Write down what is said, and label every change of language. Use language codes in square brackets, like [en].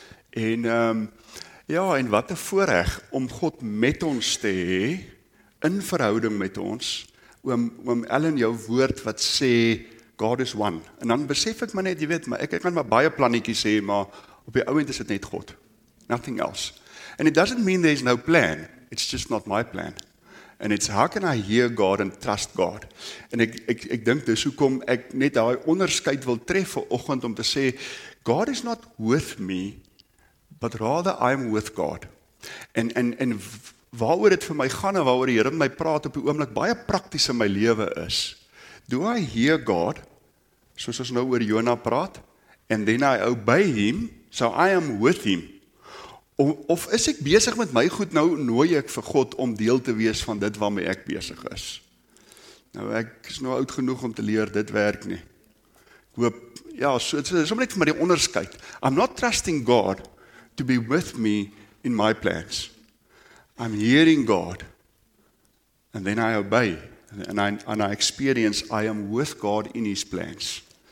[af] En ja, en wat 'n voorreg om God met ons te hê, in verhouding met ons, oom Ellen, jou woord wat sê, [en] God is one. [af] En dan besef ek maar net, jy weet, maar ek kan maar baie plannetjies hê, maar op die ouend is dit net God. [en] Nothing else. And it doesn't mean there's no plan. It's just not my plan. And it's how can I hear God and trust God? [af] En ek dink dis hoekom ek net daai onderskeid wil tref vanoggend om te sê, [en] God is not with me, but rather I'm with God. [af] En waaroor dit vir my gaan en waaroor die Here met my praat op die oomblik baie prakties in my lewe is, [en] do I hear God, [af] soos ons nou oor Jonah praat, [en] and then I obey him, so I am with him? [af] Of is ek besig met my goed, nou nooi ek vir God om deel te wees van dit waarmee ek besig is? Nou, ek is nou oud genoeg om te leer, dit werk nie. Ek hoop, ja, so, dit is om net vir my die onderskeid. [en] I'm not trusting God to be with me in my plans. I'm hearing God, and then I obey. And I experience I am with God in his plans.